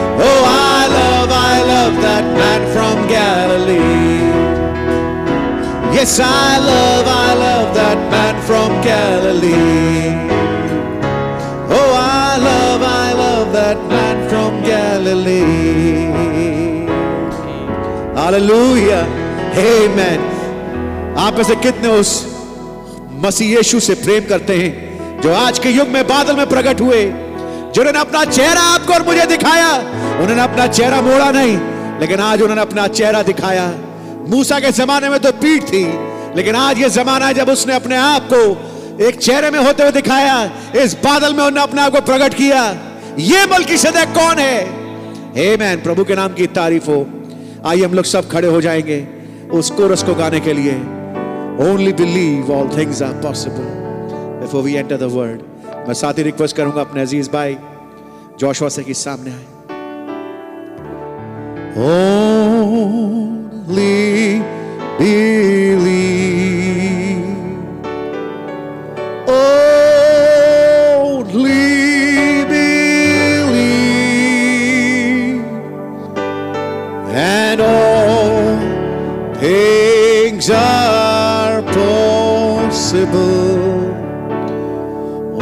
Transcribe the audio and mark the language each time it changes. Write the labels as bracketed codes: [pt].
[en] Oh, I love that man from Galilee. Yes, I love that man from Galilee. Oh, I love that man from Galilee. Hallelujah. Amen. [hi] आप ऐसे कितने उस मसीह यीशु से प्रेम करते हैं जो आज के युग में बादल में प्रकट हुए, जिन्होंने अपना चेहरा आपको और मुझे दिखाया, उन्होंने अपना चेहरा मोड़ा नहीं, लेकिन आज उन्होंने अपना चेहरा दिखाया। मूसा के जमाने में तो पीठ थी, लेकिन आज ये जमाना है जब उसने अपने आप को एक चेहरे में होते हुए दिखाया, इस बादल में उन्होंने अपने आप को प्रकट किया। ये मलकीसदेक कौन है? आमीन, प्रभु के नाम की तारीफ हो। आइए हम लोग सब खड़े हो जाएंगे उस कोरस को गाने के लिए, [en] Only believe all things are possible before we enter the world. [hi] मैं साथ ही रिक्वेस्ट करूंगा अपने अजीज भाई जोशुआ से कि सामने आए। [en] Only believe, only believe, and all things are possible.